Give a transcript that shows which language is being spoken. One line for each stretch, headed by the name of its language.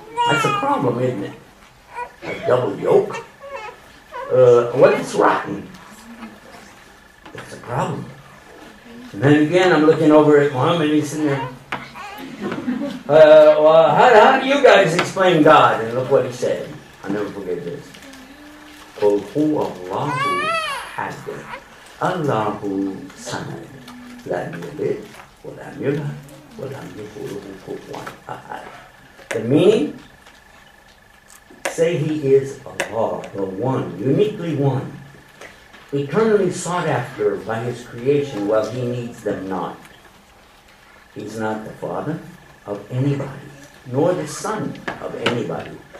English: That's a problem, isn't it? A double yolk? What if it's rotten? That's a problem. And then again, I'm looking over at Mom and he's sitting there. How do you guys explain God? And look what he said. I'll never forget this. Oh, who Allah has been.
Arabic: الله سمد لم يلد ولم يولد ولم يكن له كفوا احد.
English: The meaning, say he is Allah, the one, uniquely one, eternally sought after by his creation while he needs them not. He's not the father of anybody, nor the son of anybody.